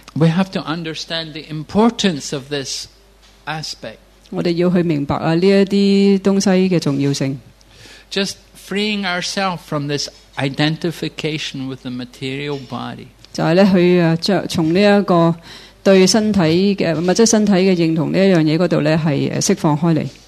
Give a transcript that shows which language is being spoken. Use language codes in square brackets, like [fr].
[en] We have to understand the importance of this aspect. [zh] 我們要去明白這些東西的重要性。 [en] Just freeing ourselves from this identification with the material body. [zh] 就是從物質身體的認同這件事釋放開來。